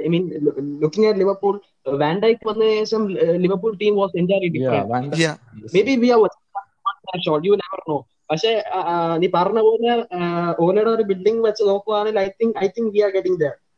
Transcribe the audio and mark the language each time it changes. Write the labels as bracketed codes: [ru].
[en] I mean looking at Liverpool, [ml] വാൻഡൈക് വന്നതിന് ശേഷം [en] Liverpool team was entirely different. Maybe we are one player short, you never know. [ml] പക്ഷേ നീ പറഞ്ഞ പോലെ ഓലയുടെ ഒരു ബിൽഡിംഗ് വെച്ച് നോക്കുവാണെങ്കിൽ [en] I think we are getting there.